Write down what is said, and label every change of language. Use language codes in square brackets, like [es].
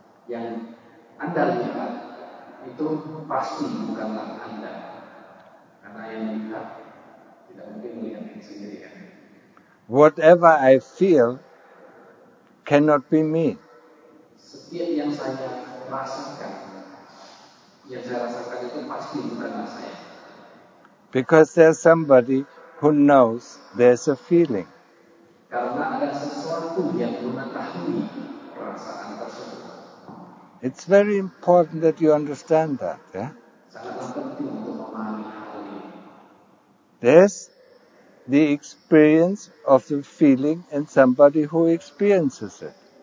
[id] yang Anda lihat itu pasti bukanlah Anda, karena yang lihat tidak mungkin melihat diri sendiri. [en] Whatever I feel cannot be me. [id] Setiap yang saya rasakan, yang saya rasakan itu pasti bukanlah saya. [en] Because there's somebody who knows there's a feeling. [id] Karena ada sesuatu yang mengetahui perasaan tersebut. [en] It's very important that you understand that, yeah? [id] Sangat penting untuk memahami hal ini. [en] There's the experience of the feeling and somebody who experiences it.